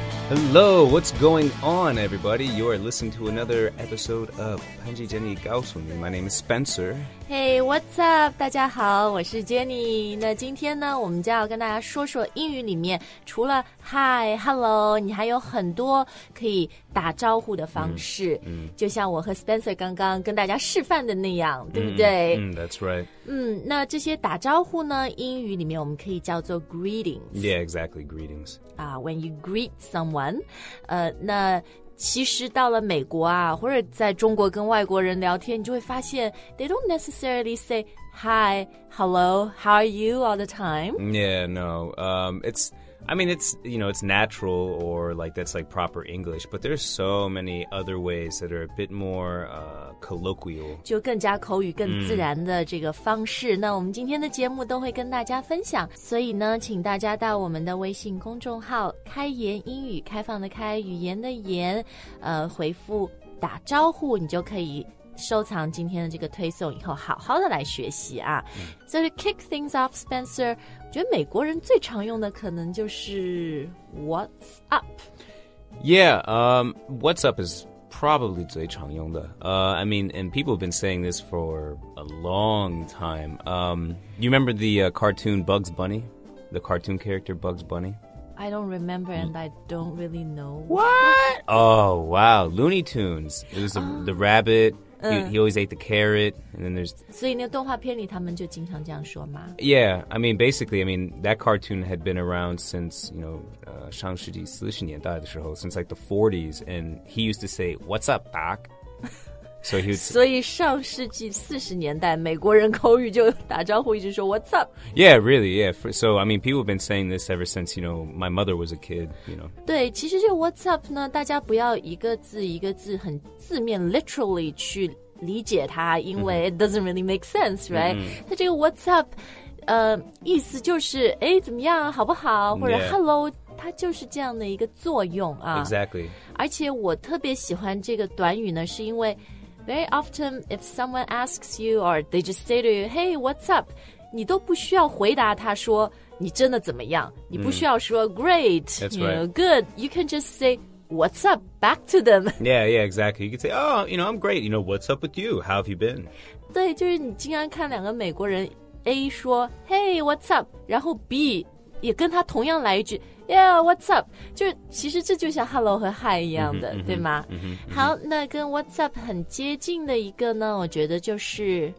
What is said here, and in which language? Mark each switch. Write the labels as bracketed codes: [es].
[en] Hello, what's going on, everybody? You are listening to another episode of 潘吉 Jenny 告诉你 My name is Spencer. Hey, what's up? [zh] 大家好，我是 Jenny. 那今天呢，我们就要跟大家说说英语里面除了 Hi, Hello, 你还有很多可以打招呼的方式。就像我和 Spencer 刚刚跟大家示范的那样，对不对？ [en] That's right. [zh] 那这些打招呼呢，英语里面我们可以叫做 greetings. [en] Yeah, exactly, greetings. When you greet someone, [zh] 那其实到了美国啊，或者在中国跟外国人聊天，你就会发现 [en] they don't necessarily say hi, hello, how are you all the time. Yeah, no. It's natural or like that's like proper English, but there's so many other ways that are a bit more colloquial. [zh] 就更加口语更自然的这个方式。那我们今天的节目都会跟大家分享。所以呢请大家到我们的微信公众号开言英语开放的开语言的言回复打招呼你就可以收藏今天的这个推送以后好好的来学习啊。 [en] So to kick things off, [zh] Spencer, 我觉得美国人最常用的可能就是 What's up? [en] Yeah, What's up is probably [zh] 最常用的。 [en] And people have been saying this for a long time. You remember the cartoon Bugs Bunny? The cartoon character Bugs Bunny? I don't remember and I don't really know. What? Oh, wow. Looney Tunes. It was the rabbit. He always ate the carrot. And then there's... [zh] 所以那个动画片里他们就经常这样说吗 [en] Yeah. I mean, that cartoon had been around since, you know, [zh] 上世纪四十年代的时候 [en] since like the 40s. And he used to say, what's up, Doc? So he would say, [zh] 所以上世纪四十年代美国人口语就打招呼一直说 What's up? [en] Yeah, really, yeah. So, I mean, people have been saying this ever since, you know, my mother was a kid, you know. [zh] 对，其实这 What's up 呢，大家不要一个字一个字很字面 literally 去理解它，因为 [en] it doesn't really make sense, right? [zh] 它这个 What's up, 意思就是哎怎么样，好不好，或者 Hello. 它就是这样的一个作用啊 [en] Exactly. [zh] 而且我特别喜欢这个短语呢是因为 [en] very often if someone asks you or they just say to you, hey, what's up? [zh] 你都不需要回答他说你真的怎么样。你不需要说 great, [en] That's you know, good. You can just say, what's up back to them. Yeah, yeah, exactly. You can say, oh, you know, I'm great. You know, what's up with you? How have you been? [zh] 对就是你经常看两个美国人 A 说 [en] hey, what's up? [zh] 然后 B 也跟他同样来一句 [en] Yeah, what's up? [zh] 就其实这就像 hello 和 hi 一样的、对吗、好那跟 what's up 很接近的一个呢我觉得就是、